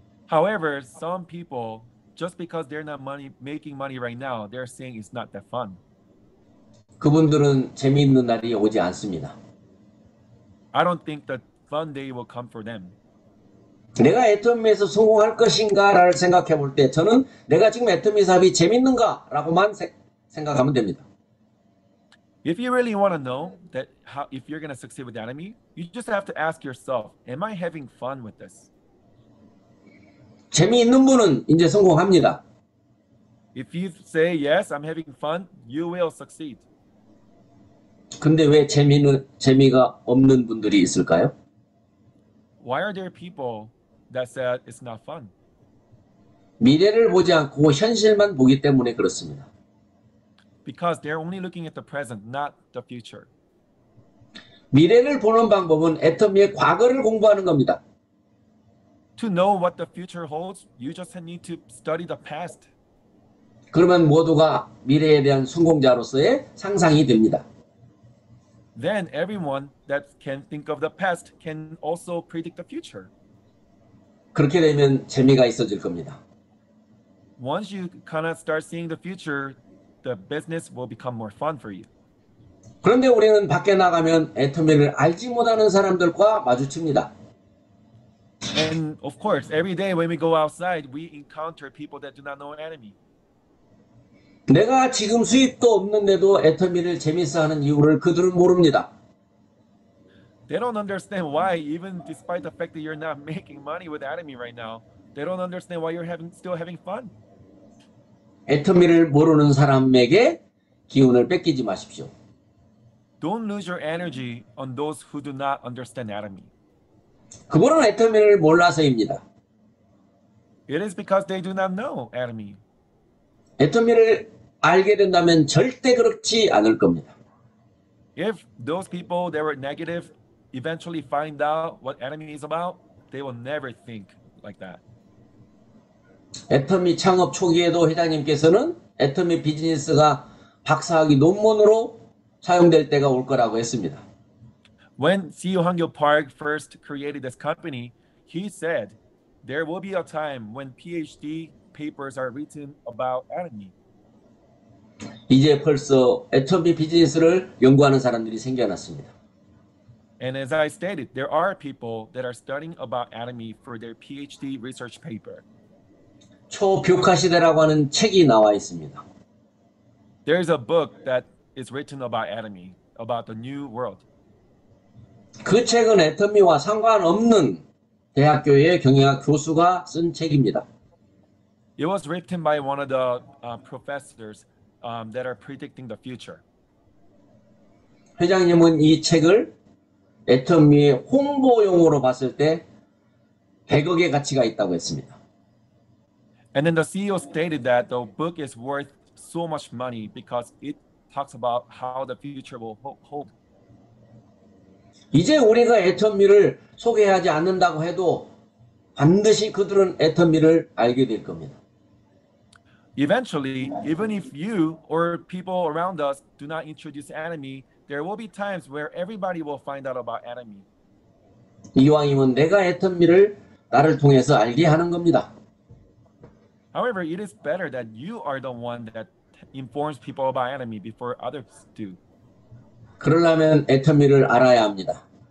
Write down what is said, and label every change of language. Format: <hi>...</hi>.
<en>However, some people just because they're not making money right now, they're saying it's not that fun.</en> <ko>그분들은 재미있는 날이 오지 않습니다.</ko> <en>I don't think that fun day will come for them.</en> <ko>내가 애터미에서 성공할 것인가를 생각해 볼 때 저는 내가 지금 애터미 사업이 재밌는가 라고만 생각하면 됩니다.</ko> <en>If you really want to know that how, if you're going to succeed with Atomy, you just have to ask yourself, am I having fun with this?</en> <ko>재미있는 분은 이제 성공합니다.</ko> <en>If you say yes, I'm having fun, you will succeed.</en> <ko>근데 왜 재미가 없는 분들이 있을까요?</ko> <en>Why are there people that said it's not fun?</en> <ko>미래를 보지 않고 현실만 보기 때문에 그렇습니다.</ko> <en>Because they're only looking at the present, not the future.</en> <ko>미래를 보는 방법은 애터미의 과거를 공부하는 겁니다.</ko> <en>To know what the future holds, you just need to study the past.</en> <ko>그러면 모두가 미래에 대한 성공자로서의 상상이 됩니다.</ko> <en>Then everyone that can think of the past can also predict the future.</en> <ko>그렇게 되면 재미가 있어질 겁니다.</ko> <en>Once you kind of start seeing the future, the business will become more fun for you.</en> <ko>그런데 우리는 밖에 나가면 애터미를 알지 못하는 사람들과 마주칩니다.</ko> <en>And of course, every day when we go outside, we encounter people that do not know Atomy.</en> <ko>내가 지금 수입도 없는데도 애터미를 재밌어하는 이유를 그들은 모릅니다.</ko> <en>They don't understand why, even despite the fact that you're not making money with Atomy right now, they don't understand why you're still having fun.</en> <ko>애터미를 모르는 사람에게 기운을 뺏기지 마십시오.</ko> <en>Don't lose your energy on those who do not understand Atomy.</en> <ko>그분은 애터미를 몰라서입니다.</ko> <en>It is because they do not know Atomy.</en> <ko>애터미를 알게 된다면 절대 그렇지 않을 겁니다.</ko> <en>If those people that were negative eventually find out what Atomy is about, they will never think like that.</en> <ko>애터미 창업 초기에도 회장님께서는 애터미 비즈니스가 박사학위 논문으로 사용될 때가 올 거라고 했습니다.</ko> <en>When CEO Hangyo Park first created this company, he said there will be a time when PhD papers are written about Atomy.</en> <ko>이제 벌써 애터미 비즈니스를 연구하는 사람들이 생겨났습니다.</ko> <en>And as I stated, there are people that are studying about Atomy for their PhD research paper.</en> <ko>초교과 시대라고 하는 책이 나와 있습니다.</ko> <en>There is a book that is written about Atomy, about the new world.</en> <ko>그 책은 애터미와 상관없는 대학교의 경영학 교수가 쓴 책입니다.</ko> <en>It was written by one of the professors that are predicting the future.</en> <ko>회장님은 이 책을 애터미의 홍보용으로 봤을 때 100억의 가치가 있다고 했습니다.</ko> <en>And then the CEO stated that the book is worth so much money because it talks about how the future will hold.</en> <ko>이제 우리가 애터미를 소개하지 않는다고 해도 반드시 그들은 애터미를 알게 될 겁니다.</ko> <en>Eventually, even if you or people around us do not introduce Atomy, there will be times where everybody will find out about Atomy.</en> <ko>이왕이면 내가 애터미를 나를 통해서 알게 하는 겁니다.</ko> <en>However, it is better that you are the one that informs people about Atomy before others do.</en> <ko>그러려면 애터미를 알아야 합니다.</ko>